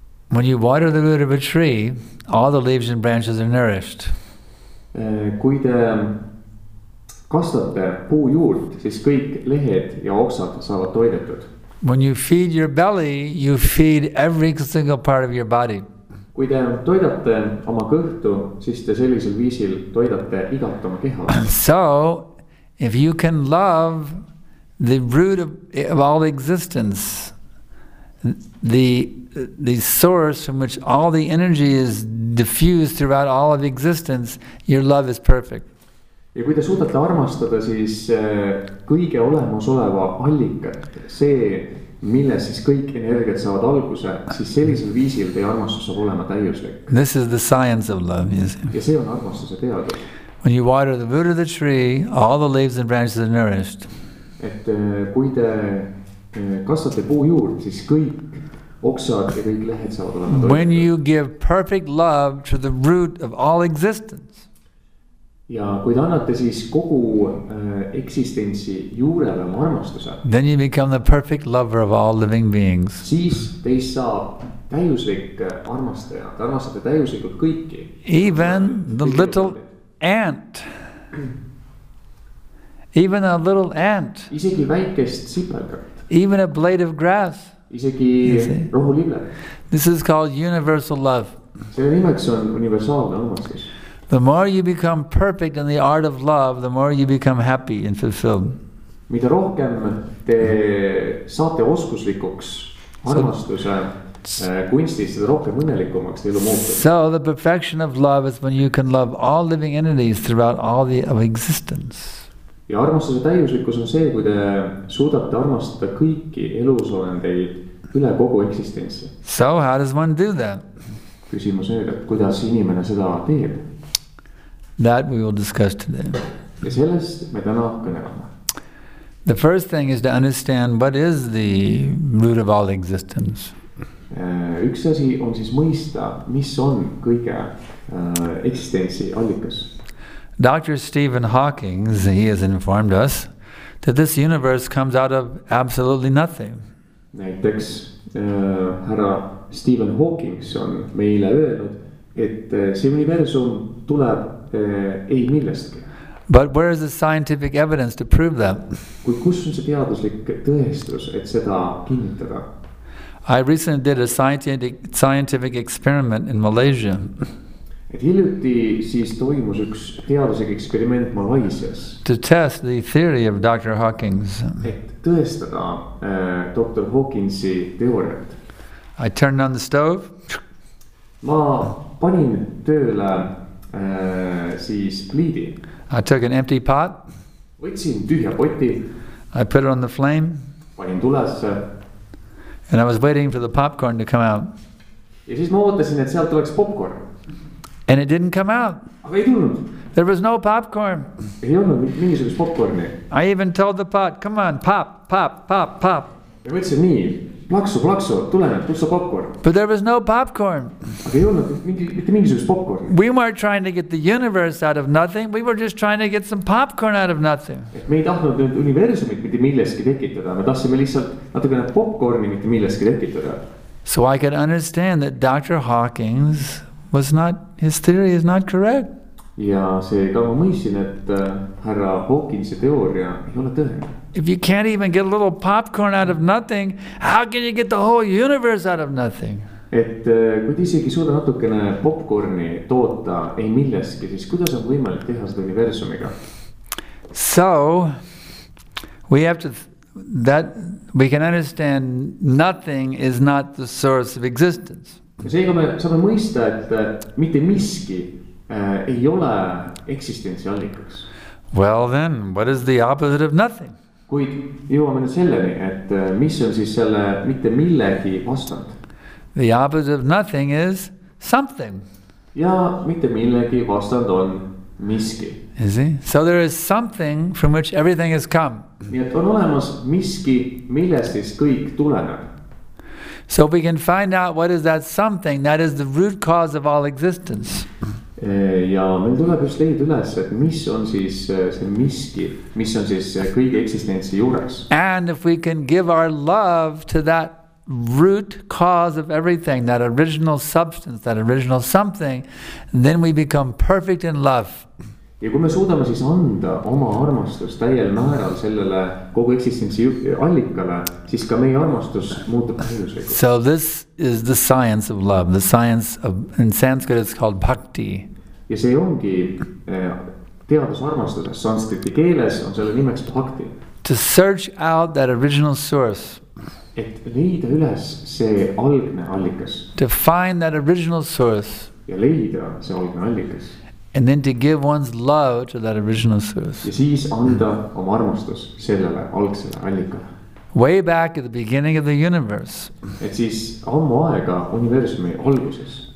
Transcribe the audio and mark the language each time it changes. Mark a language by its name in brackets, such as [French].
[English] When you water the root of a tree, all the leaves and branches are nourished. [Estonian] Kui te kastate puu juurt, siis kõik lehed ja oksad saavad toidetud. [English] When you feed your belly, you feed every single part of your body. [Estonian] Kui te toidate oma kõhtu, siis te sellisel viisil toidate igat oma keha. [English] So, if you can love the root of all existence, the source from which all the energy is diffused throughout all of existence, your love is perfect. [Estonian] Ja kui te suudate armastada, siis kõige olemas oleva allikat, see, milles siis kõik energiat saavad alguse, siis sellisel viisil teie armastus saab olema täiuslik. [English] This is the science of love, you see. [Estonian] Ja see on armastuse teadus. [English] When you water the root of the tree, all the leaves and branches are nourished. [Estonian] Et kui te kasvate puu juurt, siis kõik oksad ja kõik lehed saavad olema toitud. [English] When you give perfect love to the root of all existence, [Estonian] ja kui te annate siis kogu eksistentsi juurele oma armastuse, [English] then you become the perfect lover of all living beings. [Estonian] Siis teist saab täiuslik armastaja. Te armastate täiuslikult kõiki. [English] Even the little ant. Even a little ant. [Estonian] Isegi väikest sipelgat. [English] Even a blade of grass. [Estonian] Isegi rohulille. [English] This is called universal love. [Estonian] See nimeks on universaalne armastus. [English] The more you become perfect in the art of love, the more you become happy and fulfilled. [Estonian] Mida rohkem te saate oskuslikuks armastuse kunstis, seda rohkem õnnelikumaks teile muutub. [English] So the perfection of love is when you can love all living entities throughout all the of existence. [Estonian] Ja armastuse täiuslikkus on see, kui te suudate armastada kõiki elusolendeid üle kogu eksistentsi. [English] So how does one do that? [Estonian] Küsimus on, et kuidas inimene seda teeb? [English] That we will discuss today. [Estonian] Ja sellest me täna kõneleme. [English] The first thing is to understand what is the root of all existence. [Estonian] Üks asi on siis mõista, mis on kõige eksistentsi allikas. [English] Dr. Stephen Hawking, he has informed us that this universe comes out of absolutely nothing. [Estonian] Näiteks härra Stephen Hawking on meile öelnud, et see universum tuleb ei millestki. [English] But where is the scientific evidence to prove that? [Estonian] Kui kus on see teaduslik tõestus, et seda kinnitada? [English] I recently did a scientific experiment in Malaysia. [Estonian] Et hiljuti siis toimus üks teaduslik eksperiment Malaisias. [English] To test the theory of Dr. Hawking's. [Estonian] Et tõestada Dr. Hawkingsi teooriat. [English] I turned on the stove. [Estonian] Ma panin tööle siis pliidi. [English] I took an empty pot. [Estonian] Võtsin tühja poti. [English] I put it on the flame. [Estonian] Panin tulesse. [English] And I was waiting for the popcorn to come out. [Estonian] Ja siis ma ootasin, et sealt tuleks popcorn. [English] And it didn't come out. [Estonian] Aga ei tulnud. [English] There was no popcorn. [Estonian] Ei olnud mingisugus popcorni. [English] I even told the pot, come on, pop, pop, pop, pop. [Estonian] Ja võtsin nii, plaksu, plaksu, tule nüüd, tule sa popcorn. [English] But there was no popcorn. [Estonian] Aga ei olnud mitte mingisugus popcorni. [English] We weren't trying to get the universe out of nothing, we were just trying to get some popcorn out of nothing. [Estonian] Me ei tahtnud nüüd universumit mitte milleski tekitada, me tahtsime lihtsalt natukene popcorni mitte milleski tekitada. [English] So I could understand that Dr. Hawking's was not, his theory is not correct. [Estonian] Ja see ka ma mõisin, et härra Hawkingsi teooria ei ole tõene. [English] If you can't even get a little popcorn out of nothing, how can you get the whole universe out of nothing? [Estonian] Et kui isegi suuda natukene popcorni toota ei milleski, siis kuidas on võimalik teha seda universumiga? [English] So, we have to, that we can understand nothing is not the source of existence. [Estonian] Ja seega me saame mõista, et mitte miski ei ole eksistentsi allikaks. [English] Well then, what is the opposite of nothing? [Estonian] Kuid jõuame nüüd selleni, et mis on siis selle mitte millegi vastand? [English] The opposite of nothing is something. [Estonian] Ja mitte millegi vastand on miski. [English] Is he? So there is something from which everything has come. [Estonian] Nii et on olemas miski, millest siis kõik tuleneb. [English] So we can find out what is that something that is the root cause of all existence. [Estonian] Ja meil tuleb just leid üles, et mis on siis see miski, mis on siis kõige eksistentsi juures. [English] And if we can give our love to that root cause of everything, that original substance, that original something, then we become perfect in love. [Estonian] Ja kui me suudame siis anda oma armastus täiel määral sellele kogu eksistentsi allikale, siis ka meie armastus muutub täielikuks. [English] So this is the science of love, the science of, in Sanskrit it's called bhakti. [Estonian] Ja see ongi teadus armastuses, sanskriti keeles on selle nimeks bhakti. [English] To search out that original source. [Estonian] Et leida üles see algne allikas. [English] To find that original source. [Estonian] Ja leida see algne allikas. [English] And then to give one's love to that original source. [Estonian] Ja siis anda oma armastus sellele algsele allikale. [English] Way back at the beginning of the universe. [Estonian] Et siis ammu aega universumi alguses.